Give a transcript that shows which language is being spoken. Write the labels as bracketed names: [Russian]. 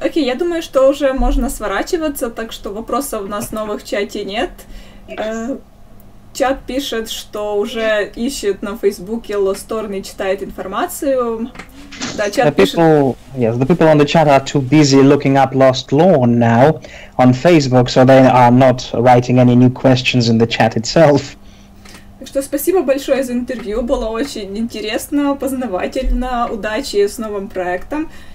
[Russian] Окей, я думаю, что уже можно сворачиваться, так что вопросов у нас новых в чате нет. Чат пишет, что уже ищет на Фейсбуке Lostorn и читает информацию. Да, чат [English] the [Russian] пишет... [English] People, yes, the people on the chat are too busy looking up Lostlorn now on Facebook, so they are not writing any new questions in the chat itself. [Russian] Так что спасибо большое за интервью, было очень интересно, познавательно, удачи с новым проектом.